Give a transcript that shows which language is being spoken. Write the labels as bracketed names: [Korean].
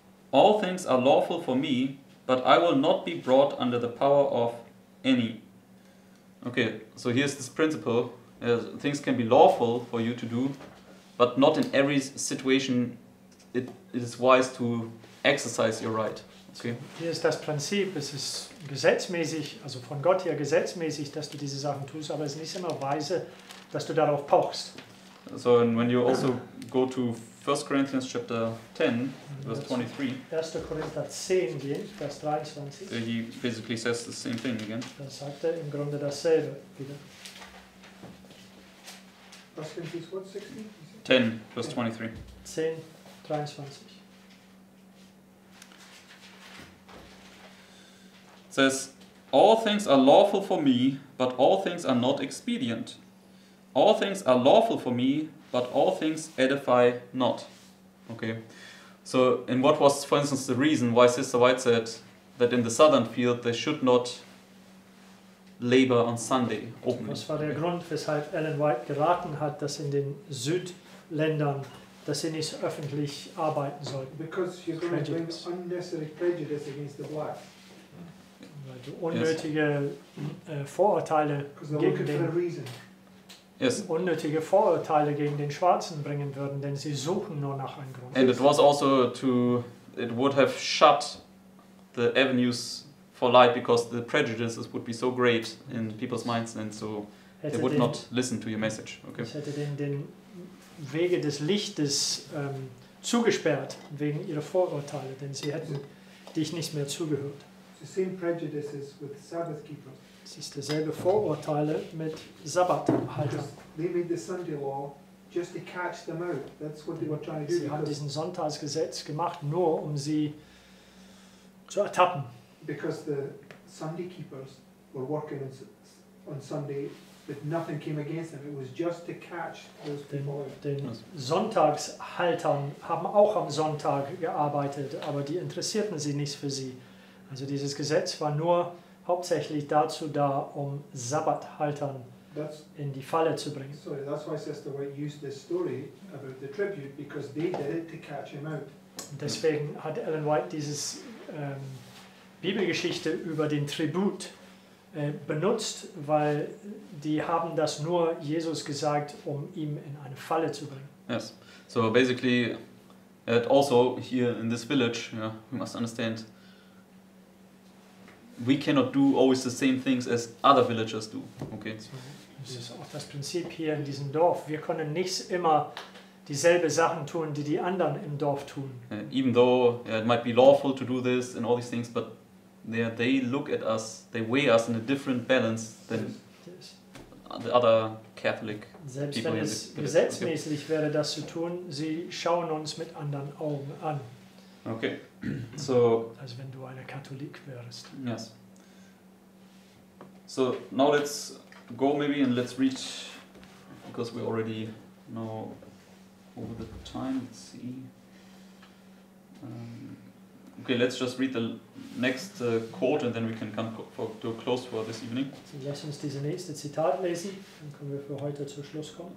[English] All things are lawful for me, but I will not be brought under the power of any. Okay, so here's this principle. Things can be lawful for you to do, but not in every situation it is wise to exercise your right. Okay. [German] Hier ist das Prinzip, es ist gesetzmäßig, also von Gott her gesetzmäßig, dass du diese Sachen tust, aber es ist nicht immer weise, dass du darauf pochst. [English] So, and when you also go to 1 Corinthians chapter 10, verse 23, [German] 1. Korinther 10, Vers 23, [English] he basically says the same thing again. [German] Da sagt er im Grunde dasselbe wieder. Was sind die Worte 16? [English] 10, verse 23. 10, 23. Says, all things are lawful for me, but all things are not expedient. All things are lawful for me, but all things edify not. Okay. So, and what was, for instance, the reason why Sister White said that in the southern field they should not labor on Sunday openly? [German] Was war der Grund, weshalb Ellen White geraten hat, dass in den Südländern, dass sie nicht öffentlich arbeiten sollten? [English] Because she's going to bring unnecessary prejudice against the black. [German] Unnötige Vorurteile gegen den unnötige Vorurteile gegen den Schwarzen bringen würden, denn sie suchen nur nach einem Grund. [English] And it was also to it would have shut the avenues for light because the prejudices would be so great in people's minds and so they would not listen to your message. Okay. [German] Es hätte den Wege des Lichtes zugesperrt wegen ihrer Vorurteile, denn sie hätten dich nicht mehr zugehört. [English] The same prejudices with Sabbath keepers. [German] Es ist dieselbe Vorurteile mit Sabbathhaltern. [English] They made the Sunday law just to catch them out. That's what they were trying to do. [German] Sie haben diesen Sonntagsgesetz gemacht, nur um sie zu ertappen. [English] Because the Sunday keepers were working on Sunday, but nothing came against them. It was just to catch those people. [German] Den Sonntagshaltern haben auch am Sonntag gearbeitet, aber die interessierten sie nicht für sie. Also dieses Gesetz war nur hauptsächlich dazu da, um Sabbathhaltern in die Falle zu bringen. [English] Sorry, that's why Sister White used this story about the tribute, because they did it to catch him out. [German] Und deswegen hat Ellen White dieses Bibelgeschichte über den Tribut benutzt, weil die haben das nur Jesus gesagt, um ihm in eine Falle zu bringen. [English] Yes, so basically, and also here in this village, yeah, we must understand, we cannot do always the same things as other villagers do. Okay. [German] Das ist auch das Prinzip hier in diesem Dorf. Wir können nicht immer dieselbe Sachen tun, die die anderen im Dorf tun. [English] Even though it might be lawful to do this and all these things, but they look at us, they weigh us in a different balance than the other Catholic [German] selbst [English] people. [German] Selbst wenn es gesetzmäßig wäre, das zu tun, sie schauen uns mit anderen Augen an. [English] Okay. So, [German] also wenn du eine Katholik wärst. [English] Yes. So now let's go maybe and let's read, because we already know over the time. Let's see. Okay, let's just read the next quote and then we can come to a close for this evening. [German] So, lass uns diese nächste Zitat lesen, dann können wir für heute zu Schluss kommen.